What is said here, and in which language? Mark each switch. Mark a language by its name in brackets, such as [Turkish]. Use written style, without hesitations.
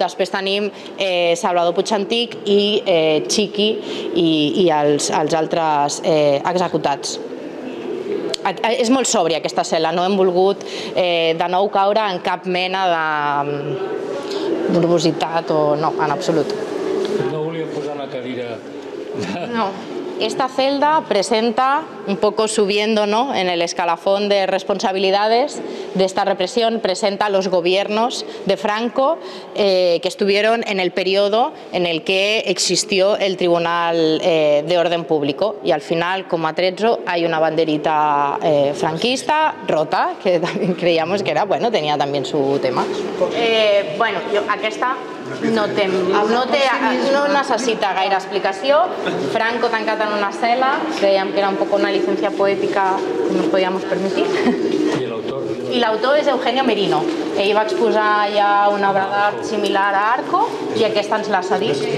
[Catalan] Després tenim Salvador Puig Antic i Chiqui, i els altres executats. És molt sobri aquesta cel·la, no hem volgut de nou caure en cap mena de morbositat o no, en absolut. No volíem posar una cadira. No. [Spanish] Esta celda presenta, un poco subiendo, ¿no?, en el escalafón de responsabilidades de esta represión, presenta los gobiernos de Franco que estuvieron en el periodo en el que existió el Tribunal de Orden Público. Y al final, como atrezzo, hay una banderita franquista rota, que también creíamos que era, bueno, tenía también su tema. [Catalan] Bueno, yo, aquesta... No necessita gaire explicació. Franco tancat en una cel·la, creiem que era un poc una llicència poètica que no podíem permetir. I l'autor és Eugenio Merino. Ell va exposar ja una obra d'art similar a Arco i aquesta ens l'ha cedit.